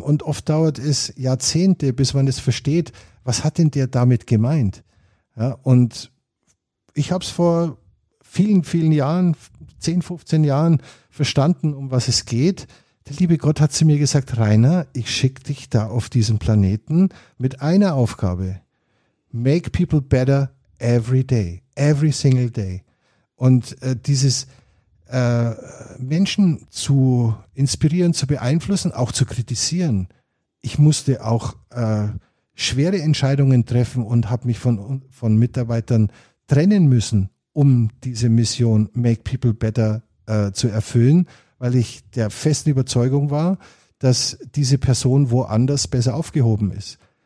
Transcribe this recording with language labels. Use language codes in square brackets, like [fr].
[de] Und oft dauert es Jahrzehnte, bis man es versteht, was hat denn der damit gemeint? Ja, und ich habe es vor vielen, vielen Jahren, 10, 15 Jahren verstanden, um was es geht. Der liebe Gott hat zu mir gesagt, Rainer, ich schicke dich da auf diesen Planeten mit einer Aufgabe. [en] Make people better every day, every single day. [de] Und dieses Menschen zu inspirieren, zu beeinflussen, auch zu kritisieren. Ich musste auch schwere Entscheidungen treffen und habe mich von Mitarbeitern trennen müssen, um diese Mission Make people better zu erfüllen, weil ich der festen Überzeugung war, dass diese Person woanders besser aufgehoben ist.